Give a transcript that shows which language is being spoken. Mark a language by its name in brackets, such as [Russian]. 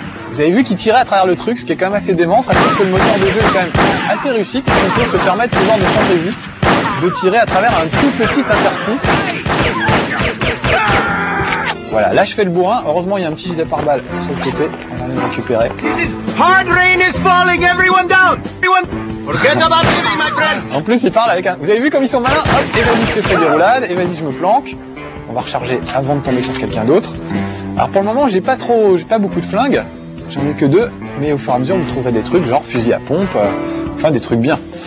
[French] Vous avez vu qu'il tirait à travers le truc, ce qui est quand même assez dément, ça prouve que le moteur de jeu est quand même assez réussi, puisqu'on peut se permettre ce genre de fantaisie de tirer à travers un tout petit interstice. Voilà, là je fais le bourrin, heureusement il y a un petit gilet pare-balles sur le côté, on va le récupérer. [English] This is hard rain is falling, everyone down. Everyone, forget about me, my friend. [French] En plus il parle avec un... Vous avez vu comme ils sont malins? Hop, et vas-y je te fais des roulades, et vas-y je me planque. On va recharger avant de tomber sur quelqu'un d'autre. Alors pour le moment j'ai pas beaucoup de flingues, j'en ai que deux, mais au fur et à mesure vous trouverez des trucs genre fusil à pompe, enfin des trucs bien.